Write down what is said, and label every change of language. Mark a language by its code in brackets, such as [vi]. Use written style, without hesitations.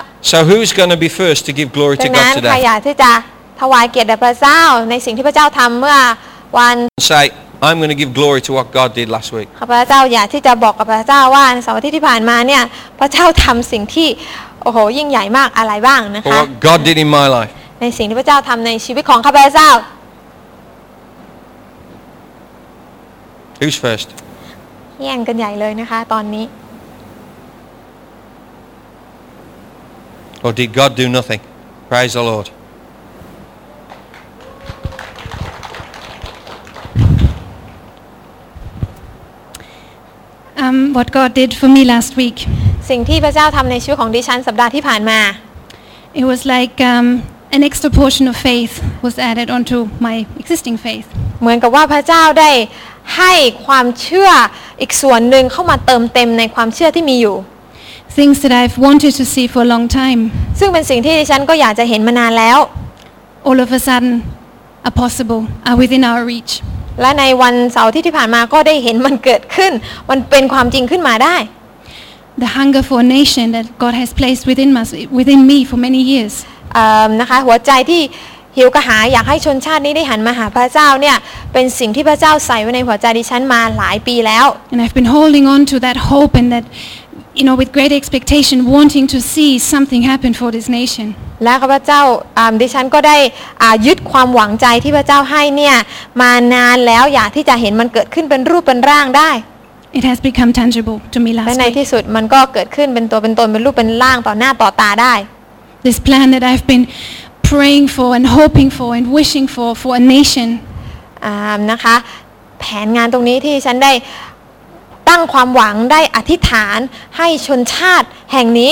[en] So who's going to be first to give glory to God today? [th] ใครอยากที่จะถวายเกียรติแด่พระเจ้าในสิ่งที่พระเจ้าทำเมื่อวัน [en] Say, I'm going to give glory to what God did last week. [th] ข้าพเจ้าอยากที่จะบอกกับพระเจ้าว่าในสัปดาห์ที่ผ่านมาเนี่ยพระเจ้าทำสิ่งที่โอ้โหยิ่งใหญ่มากอะไรบ้างนะคะ [en] What God did in my life. [th] ในสิ่งที่พระเจ้าทำในชีวิตของข้าพเจ้า [en] Who's first? [th] แย่งกันใหญ่เลยนะคะตอนนี้ [en] Or did God do nothing? Praise the Lord. What God did for me last week. [th] สิ่งที่พระเจ้าทำในชีวิตของดิฉันสัปดาห์ที่ผ่านมา [en] It was like an extra portion of faith was added onto my existing faith. [th] เหมือนกับว่าพระเจ้าได้ให้ความเชื่ออีกส่วนหนึ่งเข้ามาเติมเต็มในความเชื่อที่มีอยู่ [en] Things that I've wanted to see for a long time. [th] ซึ่งเป็นสิ่งที่ฉันก็อยากจะเห็นมานานแล้ว [en] All of a sudden, are possible, are within our reach. [th] และในวันเสาร์ที่ผ่านมาก็ได้เห็นมันเกิดขึ้นมันเป็นความจริงขึ้นมาได้ [en] The hunger for a nation that God has placed within us within me for many years [th] นะคะหัวใจที่หิวกระหายอยากให้ชนชาตินี้ได้หันมาหาพระเจ้าเนี่ยเป็นสิ่งที่พระเจ้าใส่ไว้ในหัวใจดิฉันมาหลายปีแล้ว [en] And I've been holding on to that hope and thatYou know, with great expectation, wanting to see something happen for this nation. [th] และพระเจ้าดิฉันก็ได้ยึดความหวังใจที่พระเจ้าให้เนี่ยมานานแล้วอยากที่จะเห็นมันเกิดขึ้นเป็นรูปเป็นร่างได้ [en] It has become tangible to me last week. [th] และในที่สุดมันก็เกิดขึ้นเป็นตัวเป็นตนเป็นรูปเป็นร่างต่อหน้าต่อตาได้ [en] This plan that I've been praying for and hoping for and wishing for a nation. [th] นะคะแผนงานตรงนี้ที่ฉันได้ตั้งความหวังได้อธิษฐานให้ชนชาติแห่งนี